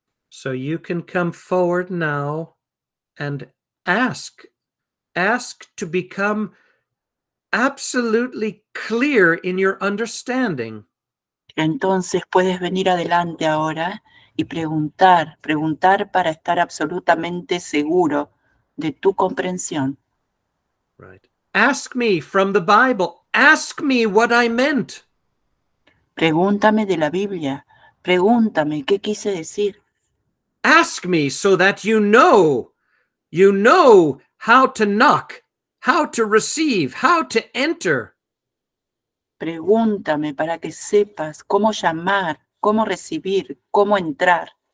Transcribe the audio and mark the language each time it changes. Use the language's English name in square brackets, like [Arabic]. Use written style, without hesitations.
[English] So you can come forward now and ask to become absolutely clear in your understanding. [Spanish] Entonces puedes venir adelante ahora y preguntar para estar absolutamente seguro de tu comprensión. [English] Right. Ask me from the Bible. Ask me what I meant. [Spanish] Pregúntame de la Biblia. Pregúntame qué quise decir. [English] Ask me so that you know how to knock, how to receive, how to enter. [Spanish] Pregúntame para que sepas cómo llamar, cómo recibir, cómo entrar.